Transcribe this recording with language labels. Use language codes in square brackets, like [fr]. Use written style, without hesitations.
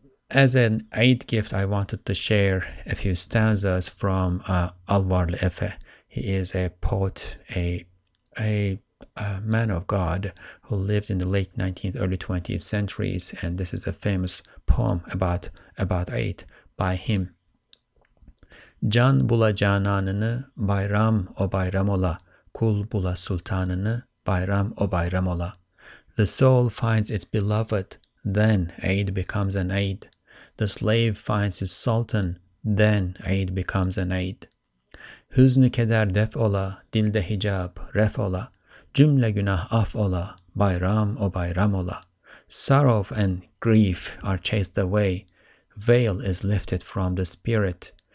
[en] As an Eid gift, I wanted to share a few stanzas from Alvar Efe. He is a poet, a man of God who lived in the late 19th, early 20th centuries, and this is a famous poem about Eid by him. [tr] Can bula cananını bayram o bayram ola, kul bula sultanını bayram o bayram ola. [en] The soul finds its beloved, then Eid becomes an Eid. The slave finds his sultan, then Eid becomes an Eid. [tr] Hüznü keder def ola, dilde hicab ref ola. Cümle günah af ola, bayram o bayram ola. [en] Sorrow and grief are chased away. Veil is lifted from the spirit.